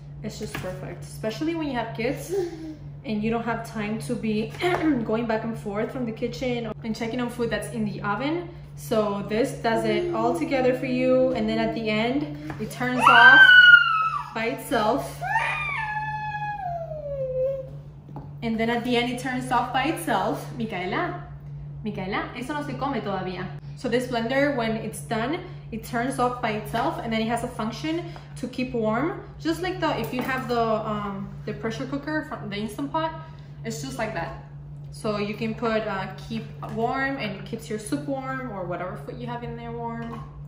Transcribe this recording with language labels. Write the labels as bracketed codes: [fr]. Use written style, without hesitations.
[en] It's just perfect, especially when you have kids and you don't have time to be going back and forth from the kitchen and checking on food that's in the oven. So this does it all together for you, and then at the end it turns off by itself. And then at the end it turns off by itself. [es] Micaela, eso no se come todavía. [en] So this blender, when it's done, it turns off by itself, and then it has a function to keep warm. Just like the, if you have the pressure cooker from the Instant Pot, it's just like that. So you can put keep warm, and it keeps your soup warm or whatever food you have in there warm.